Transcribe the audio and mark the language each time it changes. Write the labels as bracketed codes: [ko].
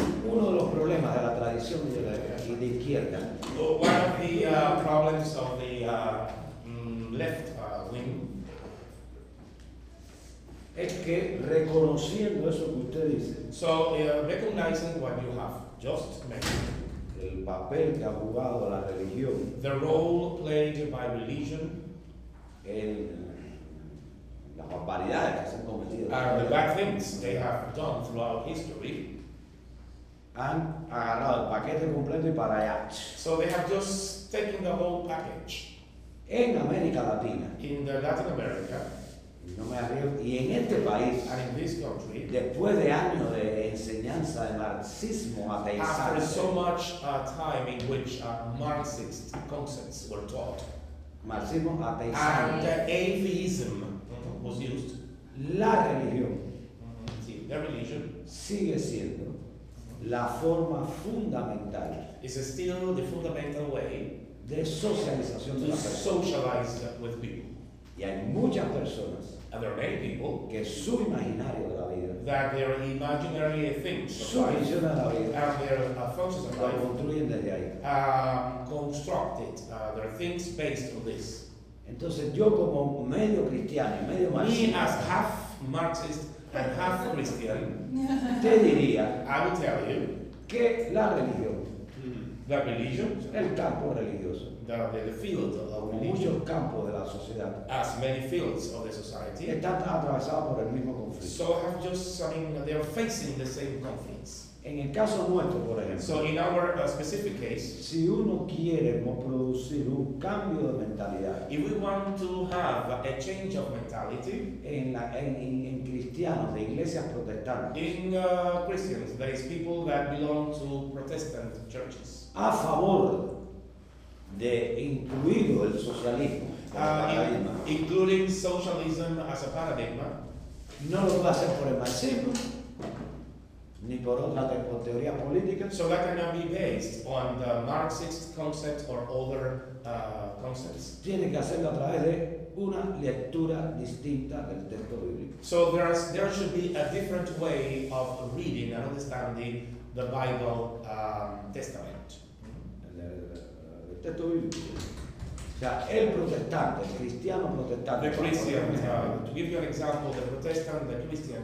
[es] Uno de los problemas de la tradición de la y de izquierda. [en] One of the problems of the left wing. [es] Es que reconociendo eso que usted dice. [en] So recognizing what you have just mentioned. [es] El papel que ha jugado la religión. [en] The role played by religion. [es] En las barbaridades que se han cometido. [en] And the bad things they have done throughout history. [es] Han agarrado el paquete completo y para allá. [en] So they have just taken the whole package. [es] En América Latina. [en] In the Latin America. [es] No me arriesgo. Y en este país. [en] And in this country. [es] Después de años de enseñanza de marxismo ateizante. [en] After so much time in which Marxist concepts were taught. [es] Marxismo ateizante. [en] And atheism was used. [es] La religión. [en] Sí, the religion. [es] Sigue siendo. La forma fundamental [en] is still the fundamental way [es] de socialización [en] to socialize with people. [es] Y hay muchas personas, [en] and there are many people, [es] que su imaginario de la vida, [en] that their imaginary things, [es] su visión de la vida, [en] and their thoughts of life, [es] construyen desde ahí. [en] Their things based on this. [es] Entonces yo como medio cristiano y medio marxista, [en] me as half Marxist and half Christian, [es] te diría, [en] I will tell you, [es] que la religión, [en] the religion, [es] el campo religioso, [en] the field of religion, [es] muchos campos de la sociedad, [en] as many fields of the society, [es] están atravesados por el mismo conflicto. [en] So have just, I mean, they are facing the same conflicts. [es] En el caso nuestro, por ejemplo, [en] so in our specific case, [es] si uno quiere producir un cambio de mentalidad, [en] if we want to have a change of mentality, [es] en cristianos de iglesias protestantes, [en] in Christians, there is people that belong to Protestant churches, [es] a favor de incluido el socialismo, [en] including socialism as a paradigm, [es] no lo va a hacer por el marxismo. Ni por otra por teoría política. [en] So that cannot be based on the Marxist concept or other concepts. [es] Tiene que hacerlo a través de una lectura distinta del texto bíblico. [en] So there should be a different way of reading and understanding the Bible testament. [es] El texto bíblico. O sea, el protestante, el cristiano protestante. [en] The Christian, to give you an example, the Protestant, the Christian,